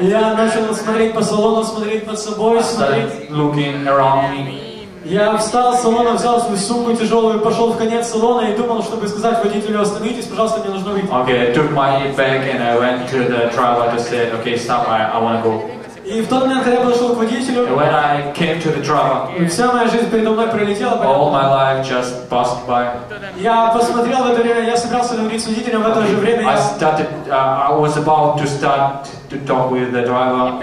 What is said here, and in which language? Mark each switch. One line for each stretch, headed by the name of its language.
Russian: Я начал смотреть по салону, смотреть под собой,
English: looking around me.
Russian: Я встал с салона, взял свою сумку тяжелую, пошел в конец салона и думал, чтобы сказать водителю: остановитесь, пожалуйста, мне нужно выйти.
English: Okay, I took my bag and I went to the driver to say, okay, stop, I want to go.
Russian: И в тот момент, когда я подошел к водителю,
English: when I came to the driver,
Russian: вся моя жизнь передо мной пролетела.
English: All my life just passed by.
Russian: Я посмотрел в это время, я собирался говорить с водителем в это же время.
English: I started, I was about to start to talk with the driver.